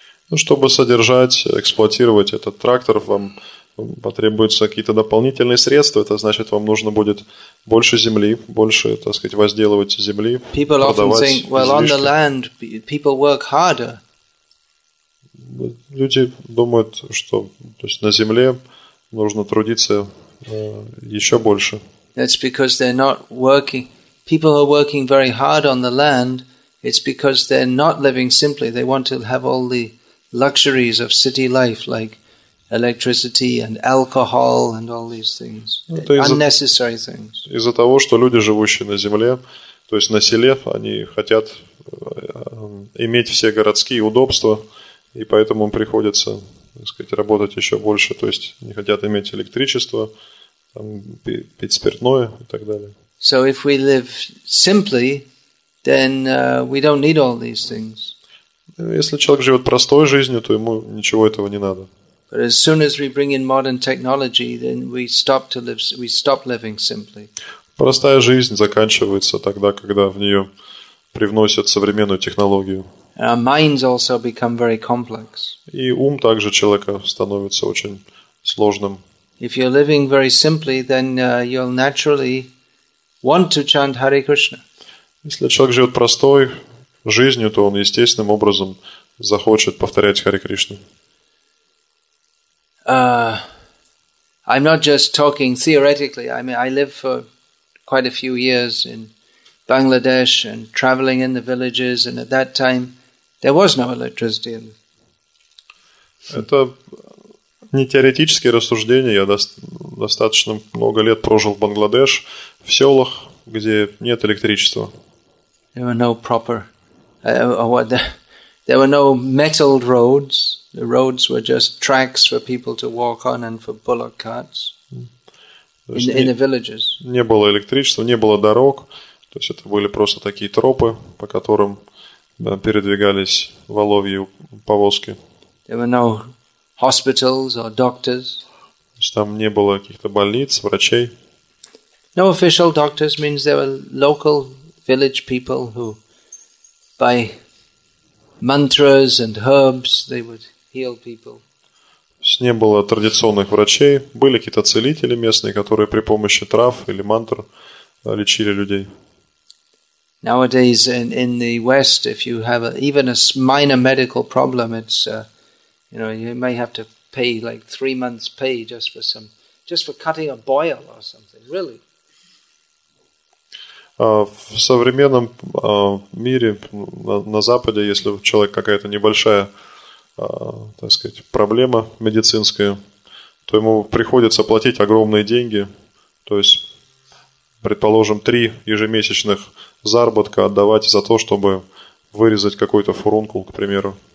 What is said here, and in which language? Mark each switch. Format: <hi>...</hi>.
<ru>Ну, чтобы содержать, эксплуатировать этот трактор, вам потребуются какие-то дополнительные средства. Это значит, вам нужно будет больше земли, больше, так сказать, возделывать земли,</ru> <en>people</en> <ru>продавать</ru> <en>often think, well,</en> <ru>излишки.</ru> <en>On the land, people work harder.</en> <ru>Люди думают, что, то есть, на земле нужно трудиться еще больше.</ru> <en>That's because they're not working. People are working very hard on the land. It's because they're not living simply. They want to have all the luxuries of city life, like electricity and alcohol and all these things. Unnecessary things.</en> <ru>Из-за того, что люди, живущие на земле, то есть на селе, они хотят иметь все городские удобства, и поэтому им приходится, так сказать, работать еще больше. То есть не хотят иметь электричество, пить спиртное и так далее.</ru> <en>So if we live simply, then we don't need all these things.</en> <ru>Если человек живет простой жизнью, то ему ничего этого не надо.</ru> <en>But as soon as we bring in modern technology, then we stop living simply.</en> <ru>Простая жизнь заканчивается тогда, когда в нее привносят современную технологию.</ru> <en>Our minds also become very complex.</en> <ru>И ум также человека становится очень сложным.</ru> <en>If you're living very simply, then you'll naturally want to chant Hare Krishna.</en> <ru>Если человек живет простой жизнью, то он естественным образом захочет повторять Харе Кришну.</ru> <en>I'm not just talking theoretically. I mean, I live for quite a few years in Bangladesh and traveling in the villages, and at that time there was no electricity.</en> <ru>Это не теоретические рассуждения. Я достаточно много лет прожил в Бангладеш, в селах, где нет электричества.</ru> <en>There were no proper there were no metal roads. The roads were just tracks for people to walk on and for bullock carts in the villages.</en> <ru>Не было электричества, не было дорог. То есть это были просто такие тропы, по которым передвигались воловьи повозки.</ru> <en>There were no hospitals or doctors.</en> <ru>То есть там не было каких-то больниц, врачей.</ru> <en>No official doctors means there were local village people who, by mantras and herbs, they would heal people.</en> <ru>Не было традиционных врачей, были какие-то целители местные, которые при помощи трав или мантр лечили людей.</ru> <en>Nowadays in the West, if you have even a minor medical problem, it's you know, you may have to pay like 3 months' pay just for cutting a boil or something. Really.</en> <ru>В современном мире на Западе, если у человека какая-то небольшая, так сказать, проблема медицинская, то ему приходится платить огромные деньги, то есть, предположим, 3 ежемесячных заработка отдавать за то, чтобы вырезать какой-то фурункул, к примеру.</ru>